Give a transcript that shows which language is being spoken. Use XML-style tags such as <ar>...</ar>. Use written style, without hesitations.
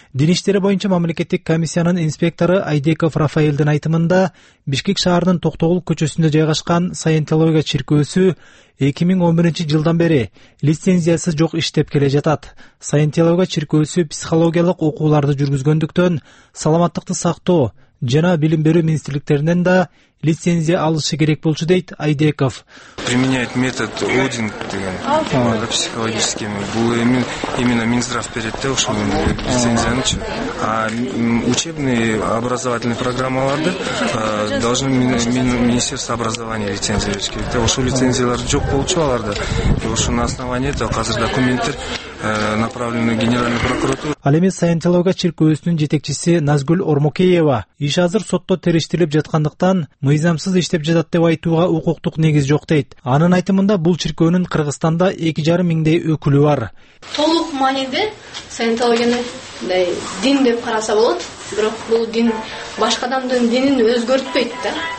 <ky>Дин иштери боюнча мамлекеттик комиссиянын инспектору Айдеков Рафаэлдин айтымында, Бишкек шаарынын Токтогул көчөсүндө жайгашкан саентология чиркөөсү 2011 жылдан бери лицензиясы жок иштеп келе жатат. Саентология чиркөөсү психологиялык окууларды жүргүзгөндүктөн, саламаттыкты сактоо жана билим берүү министрликтеринен да лицензия алышы керек болчу, дейт Айдеков.</ky> <ru>Применяет метод Одинг деген психологический.</ru> <ky>Бул именно Минздрав берет да ошол лицензиянычы.</ky> <ru>А учебные образовательные программаларды должны Министерство образования лицензия</ru> <ky>бериш керек да. Ошол лицензиялар жок болчу аларда. Ошону</ky> <ru>на основании этого</ru> <ky>азыр документтер</ky> <ru>направлены Генеральной прокуратуре.</ru> <ky>Ал эми саентология чиркөөсүнүн жетекчиси Назгүл Ормокеева иш азыр сотто териштирилип жаткандыктан мыйзамсыз иштеп жатат деп айтууга укуктук негиз жок, дейт. Анын айтымында бул чиркөөнүн Кыргызстанда 2,5 миңдей өкүлү бар. Толук маанайда саентологияны мындай дин деп караса болот, бирок бул дин башка адамдын динин өзгөртпөйт да.</ky>